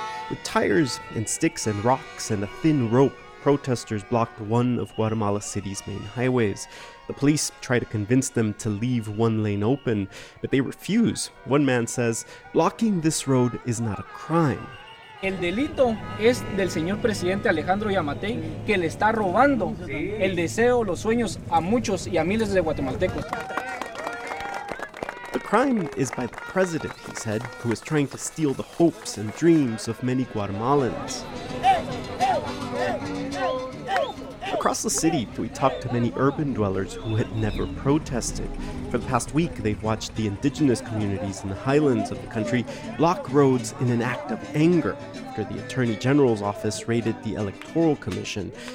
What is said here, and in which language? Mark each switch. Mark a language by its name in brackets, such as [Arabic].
[English] With tires and sticks and rocks and a thin rope, protesters blocked one of Guatemala City's main highways. The police try to convince them to leave one lane open, but they refuse. One man says, blocking this road is not a crime. [Spanish] El delito es del señor presidente Alejandro Yamatei, que le está robando el deseo, los sueños a muchos y a miles de guatemaltecos. [English] The crime is by the president, he said, who is trying to steal the hopes and dreams of many Guatemalans. Across the city, we talked to many urban dwellers who had never protested. For the past week, they've watched the indigenous communities in the highlands of the country block roads in an act of anger after the Attorney General's office raided the Electoral Commission.